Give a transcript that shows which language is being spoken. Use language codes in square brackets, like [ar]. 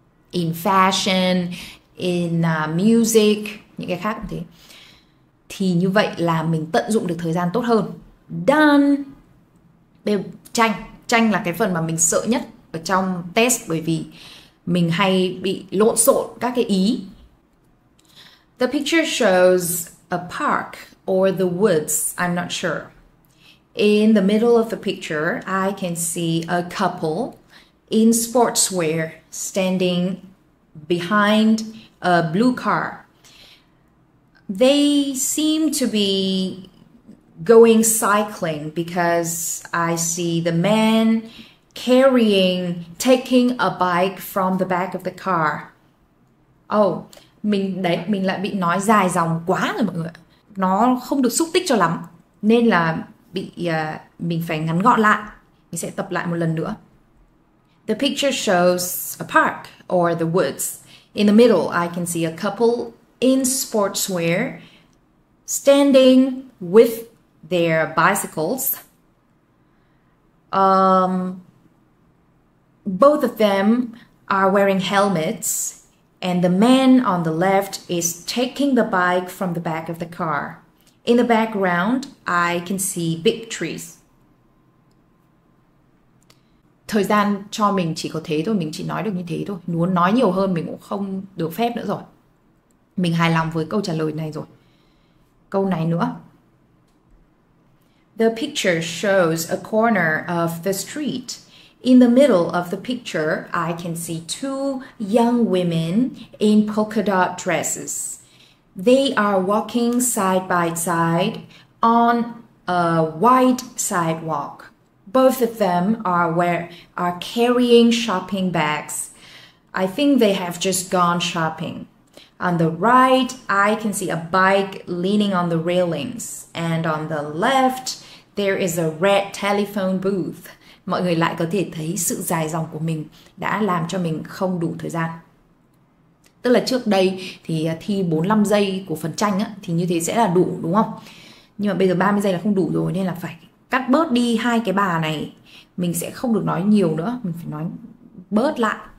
[en] In fashion, in music, [vi] những cái khác cũng thế. Thì như vậy là mình tận dụng được thời gian tốt hơn. Done. Bây giờ, tranh. Tranh là cái phần mà mình sợ nhất ở trong test bởi vì mình hay bị lộn xộn các cái ý. [en] The picture shows a park or the woods, I'm not sure. In the middle of the picture, I can see a couple in sportswear standing behind a blue car. They seem to be going cycling because I see the man taking a bike from the back of the car. [vi] Oh, mình lại bị nói dài dòng quá rồi mọi người. Nó không được xúc tích cho lắm nên là bị mình phải ngắn gọn lại. Mình sẽ tập lại một lần nữa. [en] The picture shows a park or the woods. In the middle, I can see a couple in sportswear standing with their bicycles. Both of them are wearing helmets. And the man on the left is taking the bike from the back of the car. In the background, I can see big trees. [vi] Thời gian cho mình chỉ có thế thôi, mình chỉ nói được như thế thôi. Muốn nói nhiều hơn mình cũng không được phép nữa rồi. Mình hài lòng với câu trả lời này rồi. Câu này nữa. [en] The picture shows a corner of the street. In the middle of the picture, I can see two young women in polka dot dresses. They are walking side by side on a white sidewalk. Both of them are carrying shopping bags. I think they have just gone shopping. On the right, I can see a bike leaning on the railings. And on the left, there is a red telephone booth. [vi] Mọi người lại có thể thấy sự dài dòng của mình đã làm cho mình không đủ thời gian. Tức là trước đây thì thi 45 giây của phần tranh á, thì như thế sẽ là đủ đúng không? Nhưng mà bây giờ 30 giây là không đủ rồi nên là phải cắt bớt đi hai cái bà này. Mình sẽ không được nói nhiều nữa, mình phải nói bớt lại.